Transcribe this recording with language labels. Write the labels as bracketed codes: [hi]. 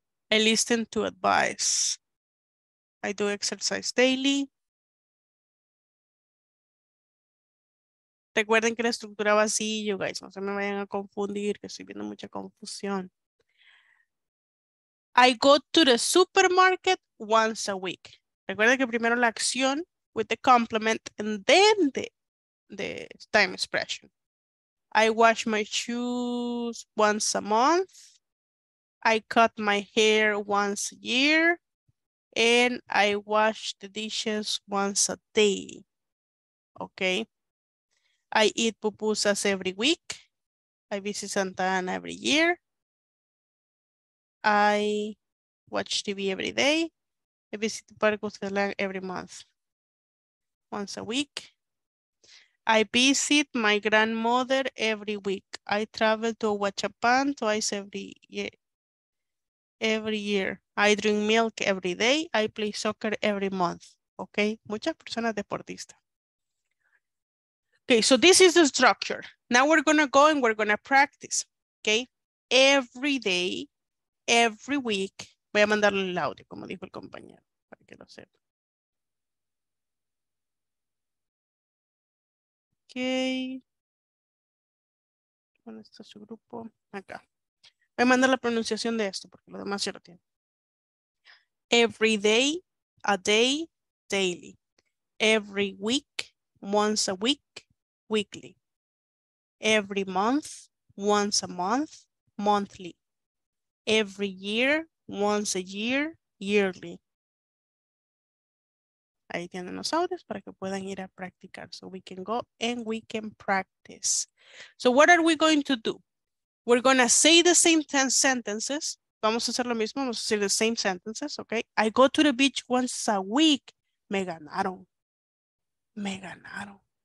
[en] I listen to advice. I do exercise daily. [es] Recuerden que la estructura va así, [en] you guys. [es] No se me vayan a confundir, que estoy viendo mucha confusión. [en] I go to the supermarket once a week. [es] Recuerden que primero la acción [en] with the complement and then the time expression. I wash my shoes once a month. I cut my hair once a year. And I wash the dishes once a day. Okay. I eat pupusas every week. I visit Santa Ana every year. I watch TV every day. I visit the park every month. Once a week. I visit my grandmother every week. I travel to Huachapan twice every year. I drink milk every day. I play soccer every month. Okay. [es] Muchas personas deportistas. Okay. [en] So this is the structure. Now we're going to go and we're going to practice. Okay. Every day, every week. [es] Voy a mandarle el audio, como dijo el compañero, para que lo sepa. [en] Okay. [es] ¿Dónde está su grupo? Acá. Voy a mandar la pronunciación de esto, porque lo demás ya lo tiene. [en] Every day, a day, daily. Every week, once a week, weekly. Every month, once a month, monthly. Every year, once a year, yearly. [es] Ahí tienen los audios para que puedan ir a practicar. [en] So we can go and we can practice. So what are we going to do? We're going to say the same 10 sentences. [es] Vamos a hacer lo mismo. Vamos a decir [en] the same sentences, okay? I go to the beach once a week. [es] Me ganaron. Me ganaron.